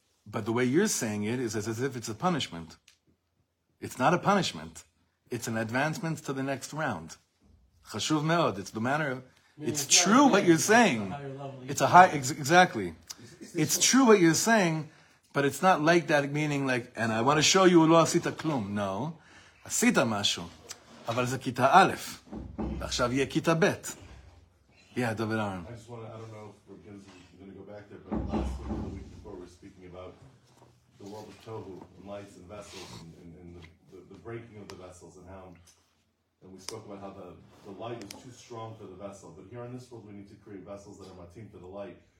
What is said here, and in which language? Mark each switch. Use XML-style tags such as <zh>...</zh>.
<en>But the way you're saying it is as if it's a punishment. It's not a punishment. It's an advancement to the next round.</en> <he>Chashuv meod,</he> <en>it's the manner of... It's true what you're saying. It's a high... Exactly. It's true what you're saying, but it's not like that meaning like, and I want to show you</en> <he>lo asita klum. No. Asita mashu. אבל זה כיתה א', ועכשיו יהיה כיתה ב'.</he> <en>Yeah, David Aaron. I just want to, I don't know if we're going to go back there, but last week before we're speaking about the world of Tohu, and lights and vessels, and the breaking of the vessels, and how, and we spoke about how the light was too strong for the vessel, but here in this world we need to create vessels that are matim for the light.</en>